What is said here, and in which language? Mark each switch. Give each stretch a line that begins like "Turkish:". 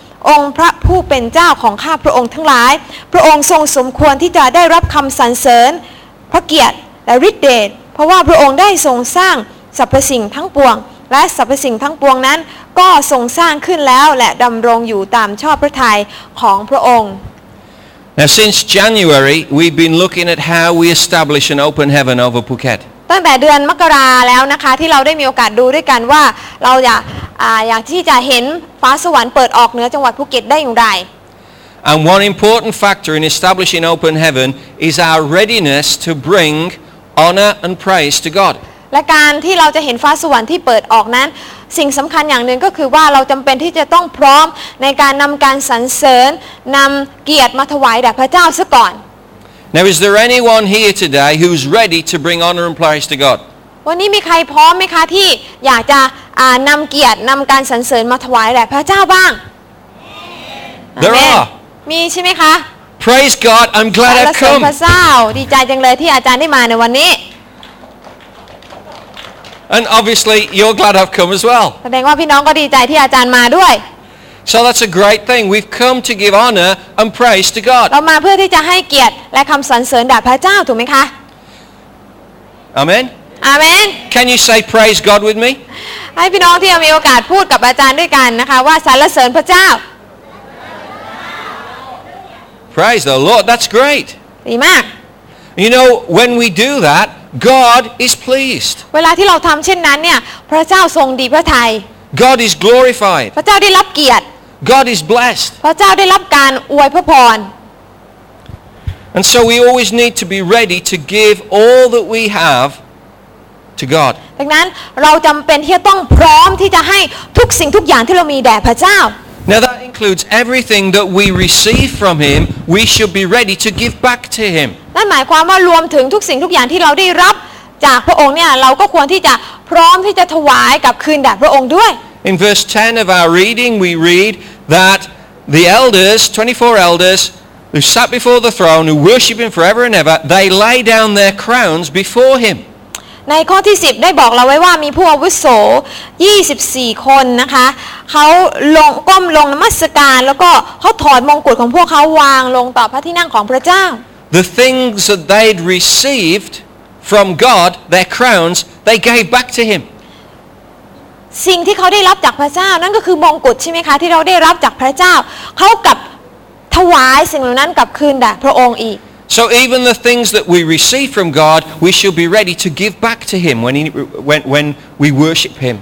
Thai: องค์พระผู้เป็นเจ้าของข้าพระองค์ทั้งหลายพระองค์ทรงสมควรที่จะได้รับคำสรรเสริญพระเกียรติและฤทธิเดชเพราะว่าพระองค์ได้ทรงสร้างสรรพสิ่งทั้งปวงและสรรพสิ่งทั้งปวงนั้นก็ทรงสร้างขึ้นแล้วและดำรงอยู่ตามชอบพระทัยของพระองค์
English: Now since January we've been looking at how we establish an open heaven over Phuket
Thai: ตั้งแต่เดือนมกราแล้วนะคะที่เราได้มีโอกาสดูด้วยกันว่าเราอยากที่จะเห็นฟ้าสวรรค์เปิดออกเหนือจังหวัดภูเก็ตได้อย่างไร
English: And one important factor in establishing open heaven is our readiness to bring honor and praise to God
Thai: และการที่เราจะเห็นฟ้าสวรรค์ที่เปิดออกนั้นสิ่งสำคัญอย่างหนึ่งก็คือว่าเราจำเป็นที่จะต้องพร้อมในการนำการสรรเสริญนำเกียรติมาถวายแด่พระเจ้าซะก่อน
English: Now is there anyone here today who's ready to bring honor and praise to God
Thai: วันนี้มีใครพร้อมไหมคะที่อยากจะนำเกียรตินำการสรรเสริญมาถวายแด่พระเจ้าบ้าง
English: There are
Thai: มีใช่ไหมคะ
English: Praise God I'm glad I've come
Thai: พระเจ้าดีใจจังเลยที่อาจารย์ได้มาในวันนี้
English: And obviously you're glad I've come as well
Thai: แสดงว่าพี่น้องก็ดีใจที่อาจารย์มาด้วย
English: So that's a great thing. We've come to give honor and praise to God.
Thai: เรามาเพื่อที่จะให้เกียรติและคำสรรเสริญแด่พระเจ้าถูกไหมคะ
English: Amen. Amen. Can you say praise God with me?
Thai: ให้พี่น้องที่มีโอกาสพูดกับอาจารย์ด้วยกันนะคะว่าสรรเสริญพระเจ้า
English: Praise the Lord. That's great.
Thai: ดีมาก
English: You know, when we do that, God is pleased.
Thai: เวลาที่เราทำเช่นนั้นเนี่ยพระเจ้าทรงดีพระทัย
English: God is glorified.
Thai: พระเจ้าได้รับเกียรติ
English: God is blessed.
Thai: พระเจ้าได้รับการอวยพร
English: And so we always need to be ready to give all that we have to God.
Thai: ดังนั้นเราจำเป็นที่จะต้องพร้อมที่จะให้ทุกสิ่งทุกอย่างที่เรามีแด่พระเจ้า
English: Now that includes everything that we receive from Him. We should be ready to give back to Him.
Thai: นั่นหมายความว่ารวมถึงทุกสิ่งทุกอย่างที่เราได้รับจากพระองค์เนี่ยเราก็ควรที่จะพร้อมที่จะถวายกับคืนแด่พระองค์ด้วย
English: In verse 10 of our reading we read that the elders 24 elders who sat before the throne who worship him forever and ever they lay down their crowns before him
Thai: ในข้อที่10ได้บอกเราไว้ว่ามีผู้อาวุโส24คนนะคะเขาลงก้มลงนมัสการแล้วก็เขาถอดมงกุฎของพวกเขาวางลงต่อพระที่นั่งของพระเจ้า
English: The things that they'd recedFrom God, their crowns, they gave back to Him.
Thai: สิ่งที่เขาได้รับจากพระเจ้านั่นก็คือมงกุฎใช่ไหมคะที่เราได้รับจากพระเจ้าเขากลับถวายสิ่งเหล่านั้นกลับคืนแด่พระองค์อีก
English: So even the things that we receive from God, we should be ready to give back to Him when we worship Him.